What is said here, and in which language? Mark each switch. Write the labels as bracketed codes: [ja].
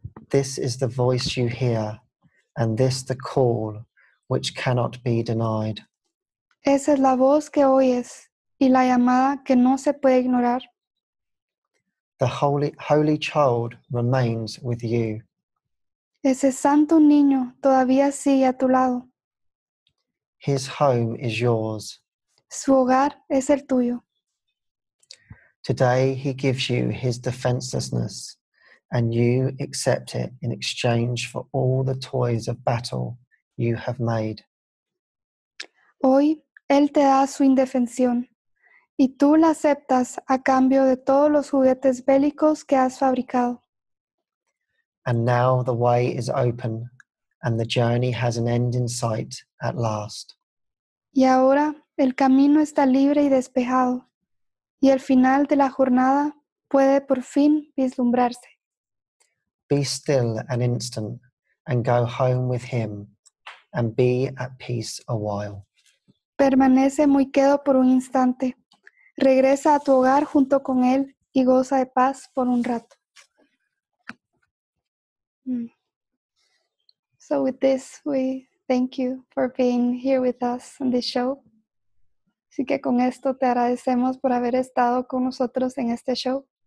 [en] This is the voice you hear, and this the call which cannot be denied. [es] Esa es la voz que oyes y la llamada que no se puede ignorar. [en] The holy child remains with you. [es] Ese santo niño todavía sigue a tu lado. [en] His home is yours. [es] Su hogar es el tuyo. [en] Today he gives you his defenselessness and you accept it in exchange for all the toys of battle you have made. [es] Hoy, Él te da su indefensión, y tú la aceptas a cambio de todos los juguetes bélicos que has fabricado. [en] And now the way is open, and the journey has an end in sight at last. [es] Y ahora el camino está libre y despejado, y el final de la jornada puede por fin vislumbrarse. [en] Be still an instant, and go home with him, and be at peace a while. [es] Permanece muy quedo por un instante. Regresa a tu hogar junto con él y goza de paz por un rato. [en] So with this, we thank you for being here with us on this show. [es] Así que con esto te agradecemos por haber estado con nosotros en este show.